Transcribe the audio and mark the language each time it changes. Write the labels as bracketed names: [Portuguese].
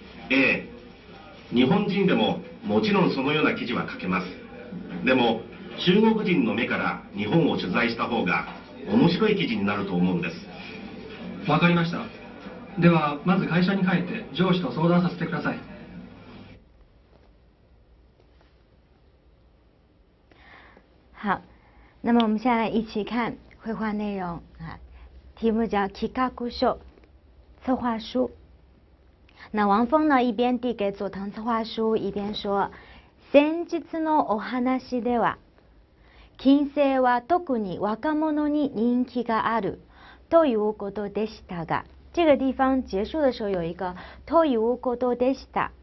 [Japanese] ええ、日本人でももちろんそのような記事は書けます。でも中国人の目から日本を取材した方が面白い記事になると思うんです。わかりました。ではまず会社に帰って上司と相談させてください。 [Chinese] 好，那么我们现在来一起看绘画内容啊，题目叫企画書，策划书。那王峰呢一边递给佐藤策划书一边说， [Japanese] 先日のお話では金星は特に若者に人気があるということでしたが。 [Chinese] 这个地方结束的时候有一个 [Japanese] ということでした。